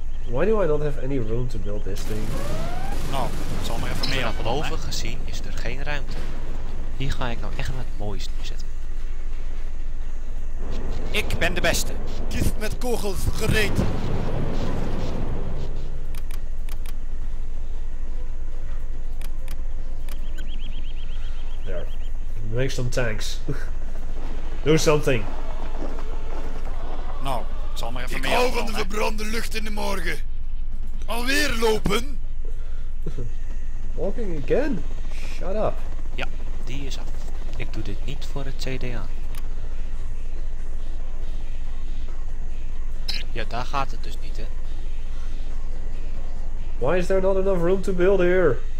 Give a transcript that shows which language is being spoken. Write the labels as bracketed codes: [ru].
[en] Why do I not have any room to build this thing? [nl] Nou, het zal maar even meer afvallen, boven gezien is er geen ruimte. Hier ga ik nou echt wat moois neerzetten. Ik ben de beste. Gift met kogels gereed. [en] There. Make some tanks. Do something! [nl] Nou, het zal maar even meehelpen. Ik hou van de verbrande lucht in de morgen! Alweer lopen! [en] Walking again? Shut up! [nl] Ja, die is af. Ik doe dit niet voor het CDA. Ja, daar gaat het dus niet, hè. [en] Why is there not enough room to build here?